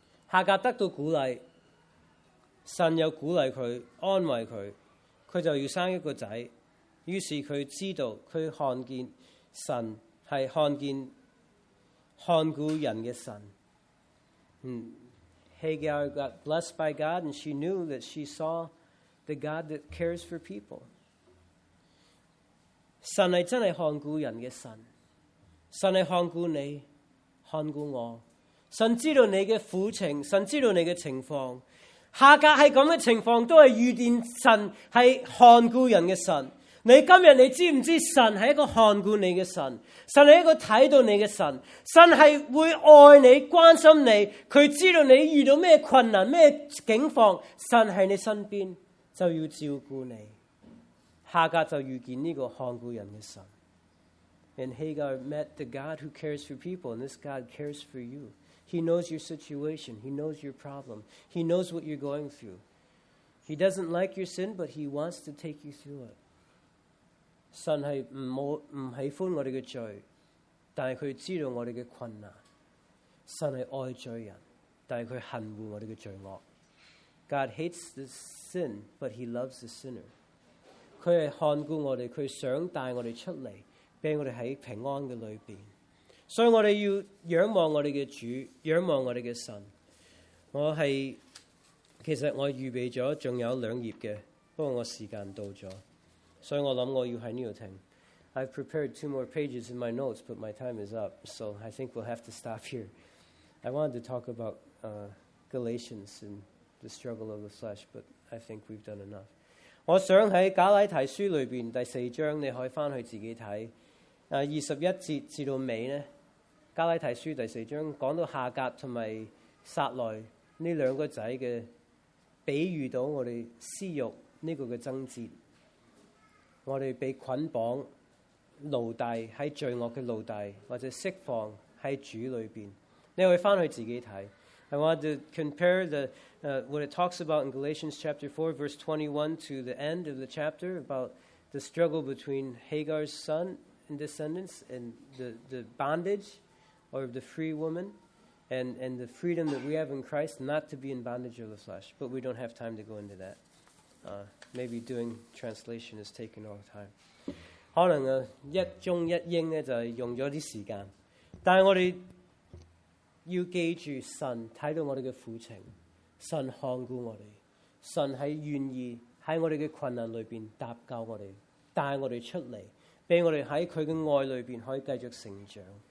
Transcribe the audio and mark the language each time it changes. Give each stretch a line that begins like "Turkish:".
Chinese: 夏甲得到鼓励，神又鼓励他，安慰他，他就要生一个仔。于是他知道，他看见神是看见看顾人的神。
English: Hagar got blessed by God, and she knew that she saw the God that cares for people.
Chinese: 神是真的看顾人的神，神是看顾你，看顾我。神知道你的苦情，神知道你的情况。夏甲是这样的情况，都是预见神是看顾人的神。你今天你知不知道神是一个看顾你的神，神是一个看到你的神，神是会爱你关心你，他知道你遇到什么困难什么境况，神在你身边就要照顾你。夏甲就遇见这个看顾人的神。
English: And Hagar met the God who cares for people, and this God cares for you. He knows your situation, he knows your problem, he knows what you're going through. He doesn't like your sin, but he wants to take you through it.
Chinese: 神是不喜欢我们的罪，但是他知道我们的困难。神是爱罪人，但是他恨恶我们的罪恶。
English: God hates the sin, but he loves the sinner.
Chinese: 他是看顾我们，他想带我们出来，让我们在平安的里面。所以我们要仰望我们的主，仰望我们的神。其实我预备了还有两页的不過我時間到了，所以我想我要在這裡停。
English: I've prepared two more pages in my notes, but my time is up, so I think we'll have to stop here. I wanted to talk about Galatians and the struggle of the flesh, but I think we've done enough. 我想在加拉提書裏面第四章，你可以回去自己看，21節至到尾呢，加拉提書第四章講到夏甲和撒內這兩個兒子的比喻，到我們私欲這個的爭戰，我們被捆綁奴隸，在罪惡的奴隸，或者釋放在主裏面，你可以回去自己看。 I want to compare the, what it talks about in Galatians chapter 4, verse 21 to the end of the chapter about the struggle between Hagar's son and descendants and the bondage or the free woman and the freedom that we have in Christ not to be in bondage of the flesh. But we don't have time to go into that. Maybe doing translation is taking all the time.
Chinese: 可能一中一英就用了一些时间，但我们要记住，神看到我们的苦情，神看顾我们，神是愿意在我们的困难里面搭救我们，带我们出来，让我们在祂的爱里面可以继续成长。